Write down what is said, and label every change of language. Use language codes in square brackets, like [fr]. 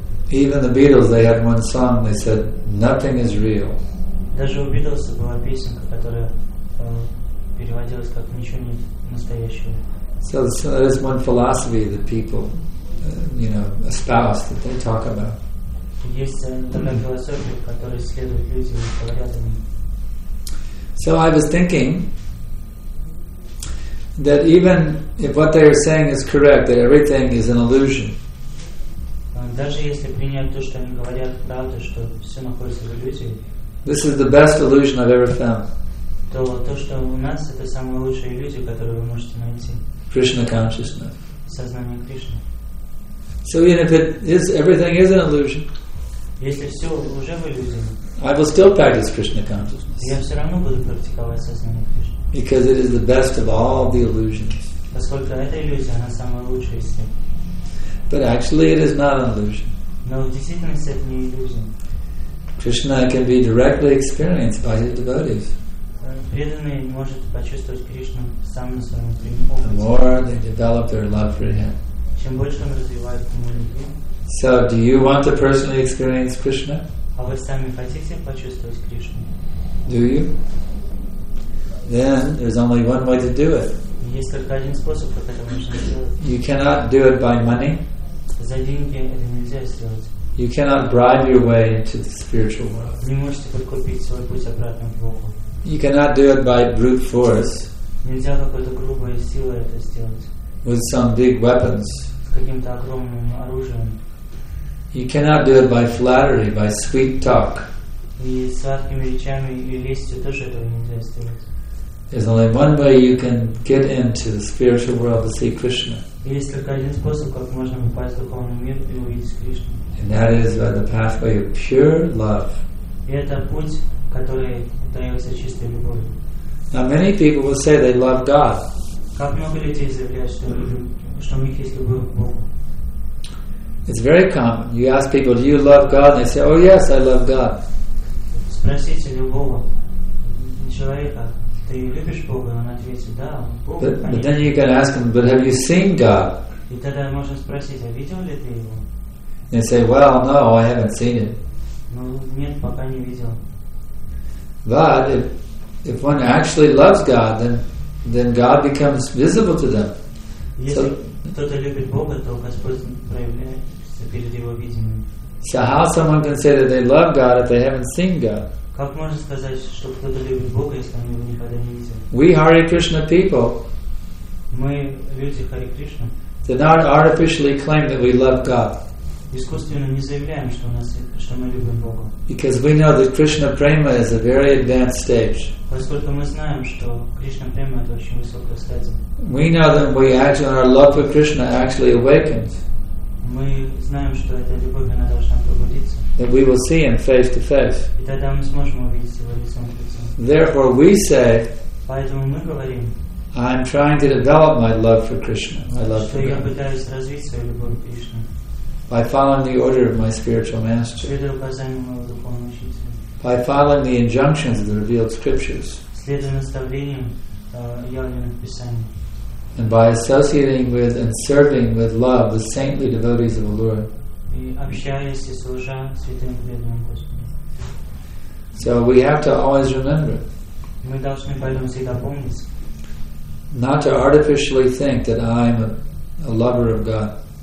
[en] Even the Beatles, they had one song, they said, nothing is real. [ru] Даже у Beatles была песенка, которая переводилась как ничего не настоящего. [en] So that is one philosophy that people, you know, espouse, that they talk about. So I was thinking that even if what they are saying is correct, that everything is an illusion. This is the best illusion I've ever found. [ru] то, что у нас это самые лучшие люди, которые вы можете найти. [en] Krishna consciousness. [ru] Сознание Кришны. [en] So even if it is, everything is an illusion. [ru] Если все уже в иллюзии. [en] I will still practice Krishna consciousness. [ru] Я все равно буду практиковать сознание Кришны. [en] Because it is the best of all the illusions. [ru] Поскольку эта иллюзия, она самая лучшая из всех. [en] But actually, it is not an illusion. [ru] Но в действительности это не иллюзия. [en] Krishna can be directly experienced by his devotees. [ru] Преданный может почувствовать Кришну сам на своем прямом опыте. [en] The more they develop their love for him. [ru] Чем больше он развивает ему любовь. [en] So, do you want to personally experience Krishna? [ru] А вы сами хотите почувствовать Кришну? [en] Do you? Then there's only one way to do it. [ru] Есть только один способ, как это можно сделать. [en] You cannot do it by money. [ru] За деньги это нельзя сделать. [en] You cannot bribe your way into the spiritual world. [ru] Не можете подкупить свой путь обратно в Бога. [en] You cannot do it by brute force. [ru] Нельзя какой-то грубой силой это сделать. [en] With some big weapons. [ru] С каким-то огромным оружием. [en] You cannot do it by flattery, by sweet talk. [ru] И сладкими речами и лестью тоже этого нельзя сделать. [en] There's only one way you can get into the spiritual world to see Krishna. [ru] Есть только один способ, как можно попасть в духовный мир и увидеть Кришну. [en] And that is by the pathway of pure love. [ru] И это путь, который дается чистой любовью. [en] Now many people will say they love God. [ru] Как много людей заявляют, что у них есть любовь к Богу? [en] It's very common. You ask people, "Do you love God?" They say, "Oh yes, I love God." [ru] Спросите любого человека. Ты любишь Бога? Он ответит, да, Бог. [en] But then you can ask him, but have you seen God? [ru] И тогда можно спросить, а видел ли ты его? [en] And say, well, no, I haven't seen it. [ru] Ну, нет, пока не видел. [en] But if one actually loves God, then God becomes visible to them. [ru] Если кто-то любит Бога, то Господь проявляется перед его видением. [en] So how someone can say that they love God if they haven't seen God? [ru] Как можно сказать, что кто-то любит Бога, если он его никогда не видел? [en] We Hare Krishna people. [ru] Мы люди Харе Кришна. [en] Do not artificially claim that we love God. [ru] Искусственно не заявляем, что мы любим Бога. [en] Because we know that Krishna prema is a very advanced stage. [ru] Поскольку мы знаем, что Кришна према это очень высокая стадия. [en] We know that we actually our love for Krishna actually awakens. [ru] Мы знаем, что эта любовь она должна пробудиться. [en] That we will see him face to face. [ru] И тогда мы сможем увидеть его лицом к лицу. [en] Therefore, we say. [ru] Поэтому мы говорим. [en] I'm trying to develop my love for Krishna, my love for God. [ru] Что я пытаюсь развить свою любовь к Кришне. [en] By following the order of my spiritual master. [ru] Следуя указаниям моего духовного учителя. [en] By following the injunctions of the revealed scriptures. [ru] Следуя наставлениям явленных писаний. [en] And by associating with and serving with love the saintly devotees of Allura. So we have to always remember not to artificially think that I am a lover of God.